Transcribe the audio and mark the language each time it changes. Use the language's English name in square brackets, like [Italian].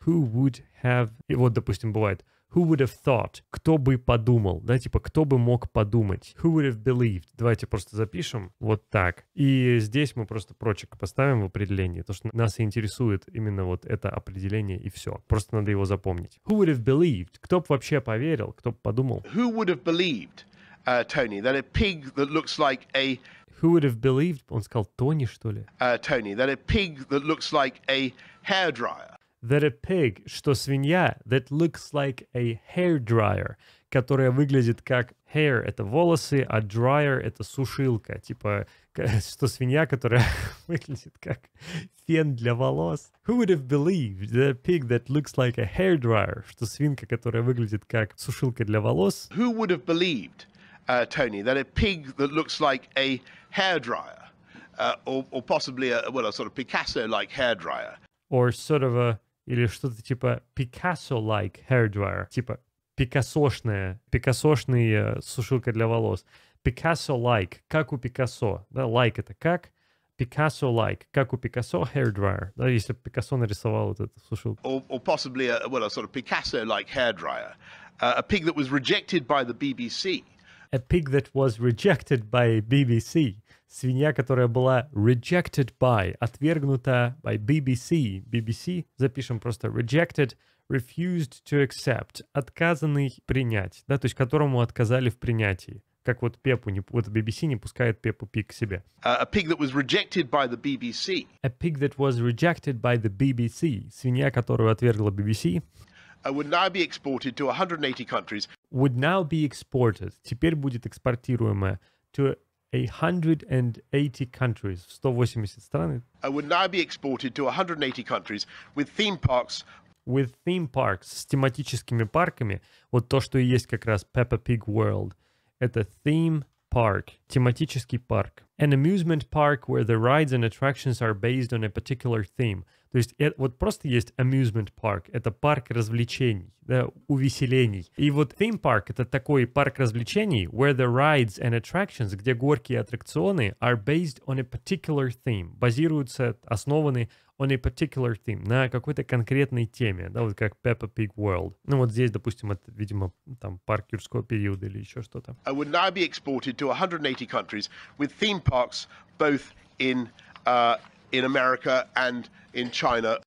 [English] Who would have... [Russian] И вот, допустим, бывает. [English] Who would have thought? [Russian] Кто бы подумал? Да, типа, кто бы мог подумать? [English] Who would have believed? [Russian] Давайте просто запишем вот так. И здесь мы просто прочек поставим в определении, то, что нас интересует именно вот это определение, и все. Просто надо его запомнить. [English] Who would have believed? [Russian] Кто бы вообще поверил? Кто бы подумал? [English] Who would have believed, Tony, that a pig that looks like a... Who would have believed? [Russian] Он сказал Тони, что ли? [English] Tony, that a pig that looks like a hairdryer. That a pig, [Russian] что свинья, [English] that looks like a hairdryer, [Russian] которая выглядит как hair, это волосы, а dryer это сушилка, типа, что свинья, которая выглядит как фен для волос. [English] Who would have believed that a pig that looks like a hairdryer, [Russian] что свинка, которая выглядит как сушилка для волос. [English] Who would have believed, Tony, that a pig that looks like a hairdryer, or possibly a sort of Picasso-like hairdryer. Or sort of a... [Russian] Или что-то типа [English] Picasso-like hairdryer. [Russian] Типа Picasso-шная. Picasso-шный сушилка для волос. Picasso-like. Как у Picasso. Да, like это как? Picasso-like. Как у Picasso hairdryer. Да, если бы Picasso нарисовал вот эту сушилку. [English] Or possibly a sort of Picasso-like hairdryer. A pig that was rejected by the BBC. A pig that was rejected by BBC. [Russian] Свинья, которая была [English] rejected by, [Russian] отвергнута [English] by BBC. BBC, [Russian] запишем просто [English] rejected, refused to accept, [Russian] отказанный принять, да, то есть которому отказали в принятии. Как вот Пеппу, вот BBC не пускает Пеппу Пиг к себе. [English] A pig that was rejected by the BBC. A pig that was rejected by the BBC. [Russian] Свинья, которую отвергла BBC. [English] Would now be exported to 180 countries. Would now be exported. [Russian] Теперь будет экспортируемая [English] to 180 countries. [Russian] 180 стран. [English] Would now be exported to 180 countries with theme parks. With theme parks. [Russian] С тематическими парками. Вот то, что и есть как раз Peppa Pig World. Это theme park, тематический парк. [English] An amusement park where the rides and attractions are based on a particular theme. [Russian] То есть это, вот просто есть amusement park, это парк развлечений, да, увеселений. И вот theme park — это такой парк развлечений, [English] where the rides and attractions, [Russian] где горки и аттракционы, [English] are based on a particular theme, [Russian] базируются, основаны [English] on a particular theme, [Russian] на какой-то конкретной теме, да, вот как Peppa Pig World. Ну вот здесь, допустим, это, видимо, там, парк юрского периода или еще что-то. [English] I would now be exported to 180 countries with theme parks both in America and in China.